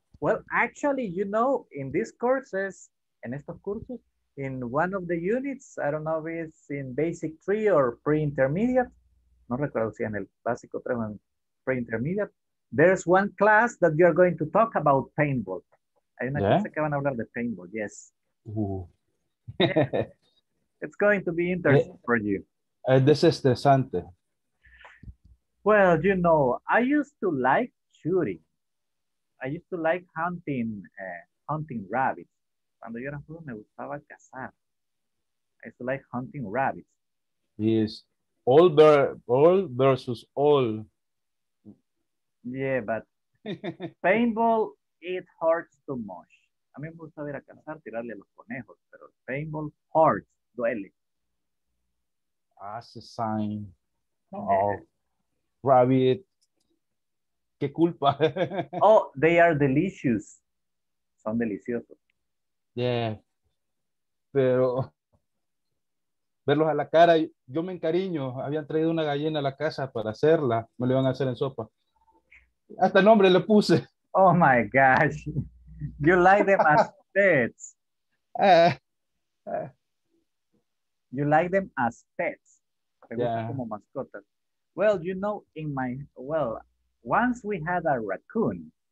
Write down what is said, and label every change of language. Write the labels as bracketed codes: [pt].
[en] Well, actually, you know, in these courses, [es] en estos cursos, [en] in one of the units, I don't know if it's in basic 3 or pre-intermediate, [es] no recuerdo si en el básico 3 o pre-intermediate, [en] there's one class that you're going to talk about paintball. [es] Hay una clase que van a hablar de paintball, yes. [en] It's going to be interesting for you. This is interesante. Well, you know, I used to like shooting. I used to like hunting rabbits. [es] Cuando yo era joven, me gustaba cazar. [en] I used to like hunting rabbits. Yes, all versus all. Yeah, but paintball, it hurts too much. [es] A mí me gusta ver a cazar, tirarle a los conejos, pero paintball hurts, duele. [en] That's a sign. Oh, rabbit. [es] ¿Qué culpa? [en] Oh, they are delicious. [es] Son deliciosos. [en] Yeah. [es] Pero verlos a la cara, yo me encariño. Habían traído una gallina a la casa para hacerla. Me lo iban a hacer en sopa. Hasta nombre le puse. [en] Oh, my gosh. You like them as pets. You like them as pets. [es] Como mascotas. [en] Well, you know, in my, well, once we had a raccoon.